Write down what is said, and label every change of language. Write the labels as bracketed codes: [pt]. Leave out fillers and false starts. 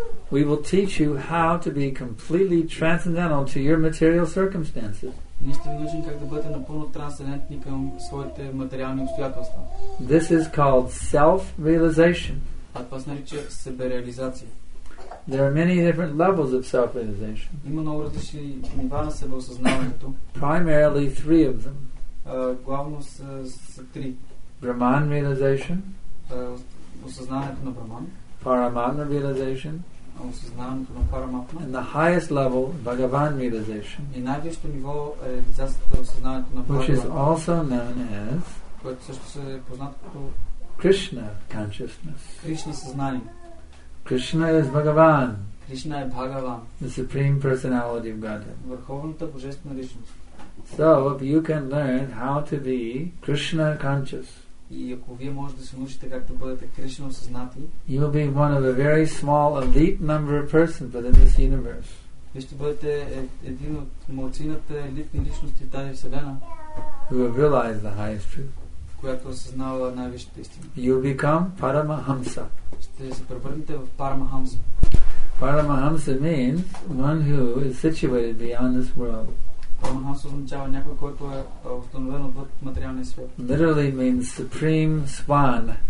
[en] We will teach you how to be completely transcendental to your material circumstances. [bg] Ние сте научим как да бъдете напълно трансцендентни към своите материални обстоятелства. [en] This is called self-realization. [bg] А това се нарича себереализация. [en] There are many different levels of self-realization. [bg] Има много различни нива на себеосъзнаването. [en] Primarily three of them. [bg] Главно са, са три. [en] Brahman realization. [bg] Осъзнаването на Браман. [en] Paramatma realization. [bg] Осъзнаването на Параматма. [en] And the highest level, Bhagavan realization. [bg] И най-висшето ниво е реализацията, осъзнаването на [en] Бхагаван. Which is also known as. [bg] Което също се е познато като [en] Krishna consciousness. [bg] Кришна съзнание. [en] Krishna is Bhagavan. Krishna is Bhagavan. The Supreme Personality of Godhead. [bg] Върховната божествена личност. [en] So, if you can learn how to be Krishna conscious, [bg] и ако вие можете да се научите как да бъдете Кришна осъзнати, [en] you will be one of a very small elite number of persons within this universe. [bg] Вие ще бъдете един от малцината елитни личности в тази вселена, [en] who have realized the highest truth. [bg] Която осъзнава най-висшата истина. [en] You become Paramahamsa. [bg] Ще се превърнете в Парамахамса. [en] Парамахамса means one who is situated beyond this world. [bg] Парамахамса означава някой, който е установен отвъд материалния свят. [en] Literally means supreme swan.